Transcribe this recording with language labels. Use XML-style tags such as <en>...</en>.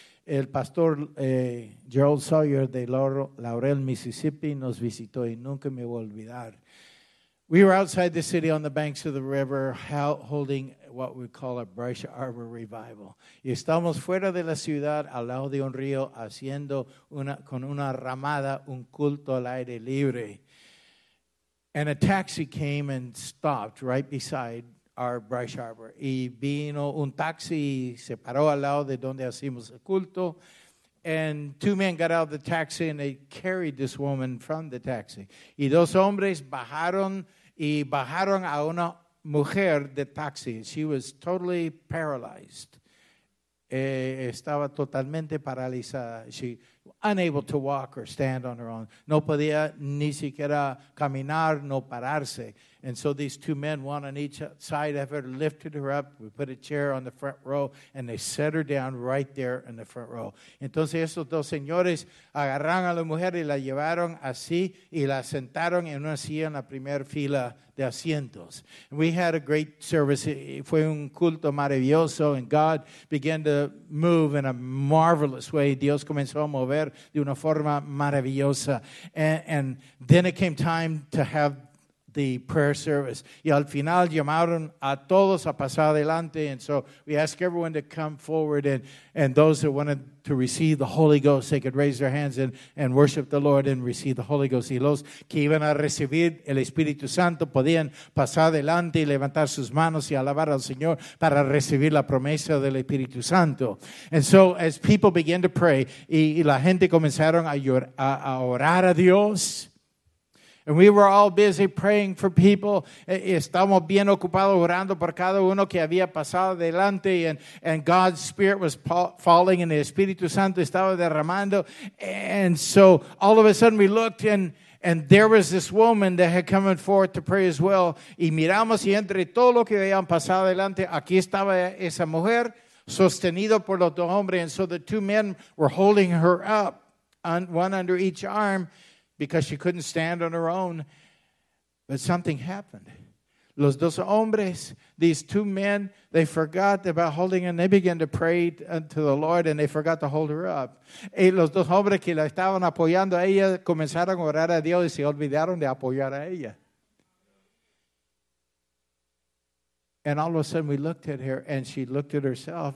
<es>El pastor Gerald Sawyer de Laurel, Mississippi, nos visitó y nunca me voy a olvidar.</es> <en>We were outside the city on the banks of the river holding what we call a Bryce Arbor revival.</en> <es>Y estamos fuera de la ciudad, al lado de un río, haciendo con una ramada, un culto al aire libre.</es> <en>And a taxi came and stopped right beside our Bryce Arbor.</en> <es>Y vino un taxi y se paró al lado de donde hacimos el culto.</es> <en>And two men got out of the taxi and they carried this woman from the taxi.</en> <es>Y dos hombres bajaron a una mujer de taxi.</es> <en>She was totally paralyzed.</en> <es>Estaba totalmente paralizada.</es> <en>She unable to walk or stand on her own.</en> <es>No podía ni siquiera caminar, no pararse.</es> <en>And so these two men, one on each side of her, lifted her up. We put a chair on the front row, and they set her down right there in the front row.</en> <es>Entonces esos dos señores agarraron a la mujer y la llevaron así y la sentaron en una silla en la primera fila de asientos.</es> <en>And we had a great service.</en> <es>Fue un culto maravilloso,</es> <en>and God began to move in a marvelous way.</en> <es>Dios comenzó a mover de una forma maravillosa.</es> <en>And then it came time to have the prayer service.</en> <es>Y al final llamaron a todos a pasar adelante.</es> <en>And so we ask everyone to come forward. And those that wanted to receive the Holy Ghost, they could raise their hands and worship the Lord and receive the Holy Ghost.</en> <es>Y los que iban a recibir el Espíritu Santo podían pasar adelante y levantar sus manos y alabar al Señor para recibir la promesa del Espíritu Santo.</es> <en>And so as people began to pray,</en> <es>y la gente comenzaron a orar a Dios.</es> <en>And we were all busy praying for people.</en> <es>Estamos bien ocupados orando por cada uno que había pasado adelante.</es> <en>And God's Spirit was falling and the</en> <es>Espíritu Santo estaba derramando.</es> <en>And so all of a sudden we looked and there was this woman that had come forth to pray as well.</en> <es>Y miramos y entre todo lo que habían pasado adelante, aquí estaba esa mujer sostenido por los dos hombres.</es> <en>And so the two men were holding her up, one under each arm, because she couldn't stand on her own. But something happened.</en> <es>Los dos hombres,</es> <en>these two men, they forgot about holding her, and they began to pray to the Lord, and they forgot to hold her up.</en> <es>Y los dos hombres que la estaban apoyando a ella comenzaron a orar a Dios y se olvidaron de apoyar a ella.</es> <en>And all of a sudden we looked at her, and she looked at herself.</en>